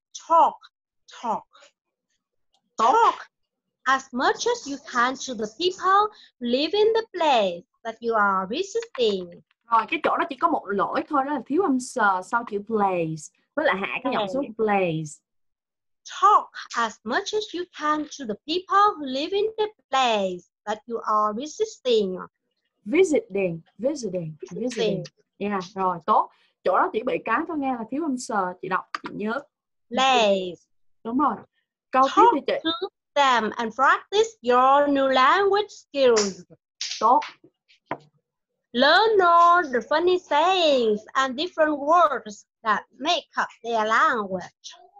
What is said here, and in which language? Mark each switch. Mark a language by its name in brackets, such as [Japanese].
[English] Talk as much as you can to the people living the place that you are visiting. [Vietnamese] Rồi, cái chỗ đó chỉ có một lỗi thôi, đó là thiếu âm s sau chữ place, với lại hạ cái giọng xuống place. [English] Talk as much as you can to the people who live in the place that you are visiting. Visiting. Yeah, [Vietnamese] rồi, tốt. Chỗ đó chỉ bị cái thôi nghe là thiếu âm s, chị đọc, chị nhớ. [English] Place. [Vietnamese] Đúng rồi. Câu [English] talk [Vietnamese] tiếp thì chị... [English] to them and practice your new language skills. [Vietnamese] Tốt. [English] Learn all the funny sayings and different words that make up their language.